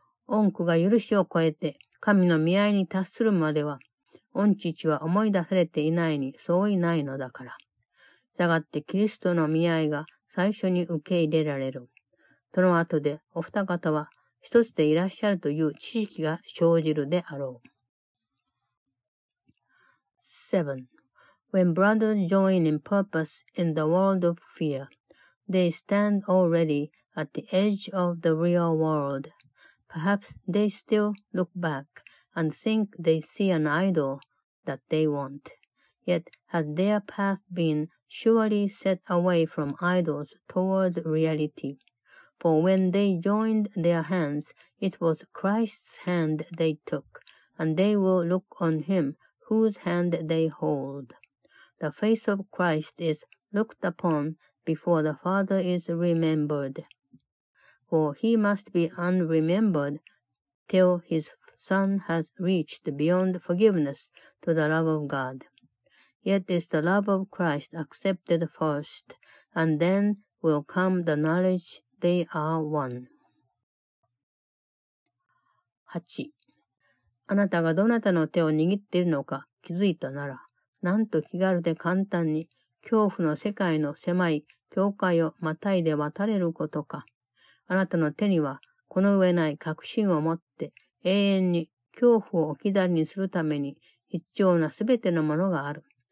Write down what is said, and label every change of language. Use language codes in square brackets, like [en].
[ja] 恩子が許しを超えて神の御愛に達するまでは、御父は思い出されていないに相違ないのだから。したがってキリストの御愛が最初に受け入れられる。その後でお二方は一つでいらっしゃるという知識が生じるであろう。 7. [en] When brothers join in purpose in the world of fear, they stand already at the edge of the real world. Perhaps they still look back and think they see an idol that they want. Yet had their path been surely set away from idols towards reality. For when they joined their hands, it was Christ's hand they took, and they will look on him whose hand they hold. The face of Christ is looked upon before the Father is remembered. For he must be unremembered till his son has reached beyond forgiveness to the love of God. Yet is the love of Christ accepted first, and then will come the knowledge they are one. 8. [ja] あなたがどなたの手を握っているのか気づいたなら、なんと気軽で簡単に恐怖の世界の狭い境界をまたいで渡れることか。あなたの手にはこの上ない確信を持って永遠に恐怖を置き去りにするために必要なすべてのものがある。